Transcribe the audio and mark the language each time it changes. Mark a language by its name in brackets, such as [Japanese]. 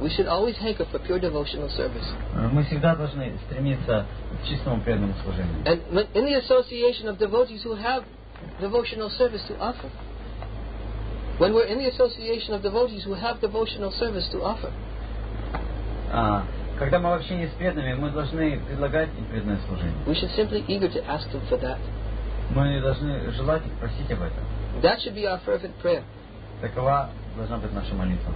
[English] We should always hanker for pure devotional service. [Russian] Мы всегда должны стремиться к чистому преданному служению. [English] And in the association of devotees who have devotional service to offer. When we're in the association of devotees who have devotional service to offer. [Russian] Когда мы в общении с преданными, мы должны предлагать им преданное служение. [English] We should simply eager to ask them for that. [Russian] Мы должны желать и просить об этом. [English] That should be our fervent prayer. [Russian] Такова должна быть наша молитва.